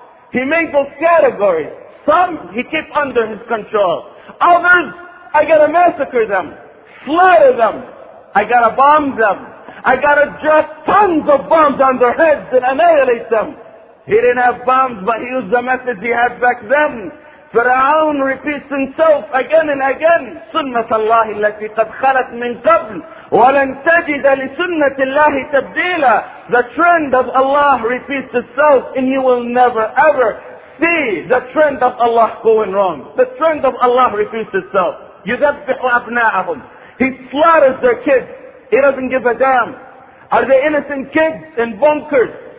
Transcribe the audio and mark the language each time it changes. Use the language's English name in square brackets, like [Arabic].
[English] He made those categories. Some he kept under his control. Others, I gotta massacre them, slaughter them, I gotta bomb them, I gotta drop tons of bombs on their heads and annihilate them. He didn't have bombs, but he used the methods he had back then. Fir'aun repeats himself again and again, [Arabic] سُنَّةَ اللَّهِ الَّتِي قَدْ خَلَتْ مِنْ قَبْلِ وَلَنْ تَجِدَ لِسُنَّةِ اللَّهِ تَبْدِيلًا. [English] The trend of Allah repeats itself, and you will never ever see the trend of Allah going wrong. The trend of Allah repeats itself. [Arabic] يُذَبِّحُ أَبْنَاءَهُمْ. [English] He slaughters their kids. He doesn't give a damn. Are they innocent kids in bunkers?